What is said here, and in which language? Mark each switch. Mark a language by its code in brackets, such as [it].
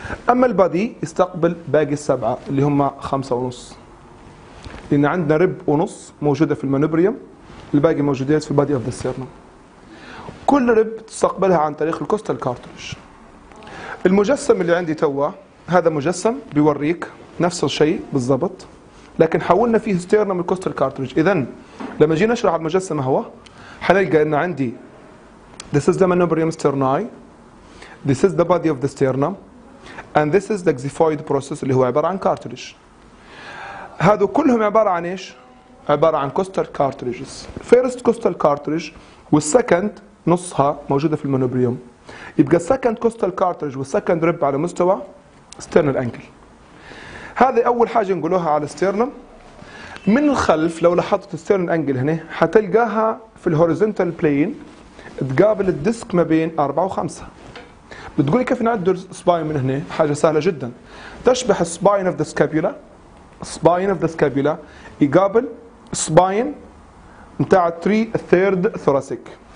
[ar] اما البادي يستقبل باقي السبعه اللي هم خمسه ونص، لان عندنا رب ونص موجوده في المانوبريوم، الباقي موجودات في بادي اوف ذا سيرنم. كل رب تستقبلها عن طريق الكوستال كارتريج. المجسم اللي عندي توا هذا مجسم بيوريك نفس الشيء بالضبط، لكن حولنا فيه سيرنم الكوستال كارتريج. اذا لما جينا نشرح المجسم هو حنلقى ان عندي [en] this is the manubrium sternae, this is the body of the sternum, and this is the xiphoid process [ar] اللي هو عبارة عن [en] cartilage. [ar] هذو كلهم عبارة عن ايش؟ عبارة عن costal cartilages. First costal cartilage والsecond نصها موجودة في المانوبريوم. يبقى second costal cartilage والsecond rib على مستوى sternal angle. هذه أول حاجة نقولوها على sternum. من الخلف لو لاحظت sternal angle هنا حتلقاها في الhorizontal plane تقابل الديسك ما بين 4 و 5. بتقولي كيف نعد السباين من هنا؟ حاجة سهلة جدا. تشبه السباين اوف ذا سكابيولا، السباين اوف ذا سكابيولا يقابل السباين نتاع 3 ثيرد ثوراسيك.